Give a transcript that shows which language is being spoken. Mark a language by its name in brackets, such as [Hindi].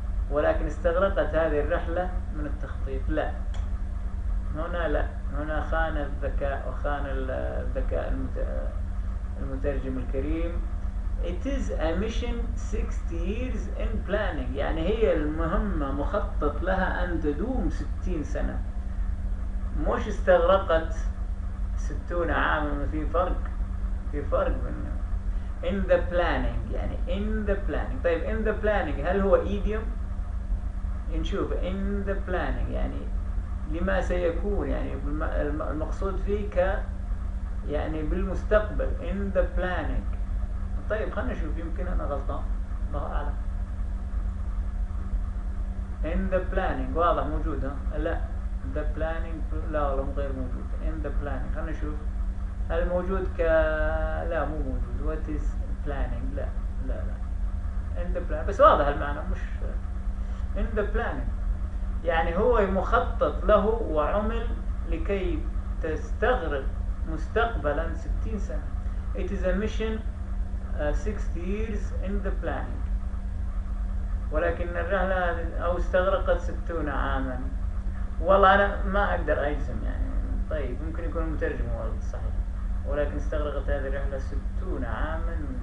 [Arabic] ولكن استغرقت هذه الرحلة من التخطيط. لا هنا، لا هنا خان الذكاء وخان الذكاء المترجم الكريم. [English] it is a mission 60 years in planning، [Arabic] يعني هي المهمة مخطط لها أن تدوم 60 سنة، مش استغرقت 60 عاما. في فرق، في فرق بينه. [English] in the planning [Arabic] يعني [English] in the planning. [Arabic] طيب [English] in the planning [Arabic] هل هو idiom؟ نشوف. [English] in the planning [Arabic] يعني لما سيكون، يعني المقصود فيه ك يعني بالمستقبل. [English] in the planning. [Arabic] طيب خلنا نشوف، يمكن انا غلطان، الله اعلم. [English] in the planning [Arabic] واضح موجود. لا [English] the planning [Arabic] لا والله غير موجود. [English] in the planning [Arabic] خلنا نشوف هل موجود ك، لا مو موجود. [English] what is planning؟ [Arabic] لا لا لا [English] in the planning [Arabic] بس واضح المعنى، مش in the planning يعني هو مخطط له وعمل لكي تستغرق مستقبلا 60 سنة. [English] it is a mission 60 years in the planning، [Arabic] ولكن الرحلة أو استغرقت 60 عاما. والله أنا ما أقدر أجزم يعني. طيب ممكن يكون مترجم هو الصحيح، ولكن استغرقت هذه الرحلة 60 عاما.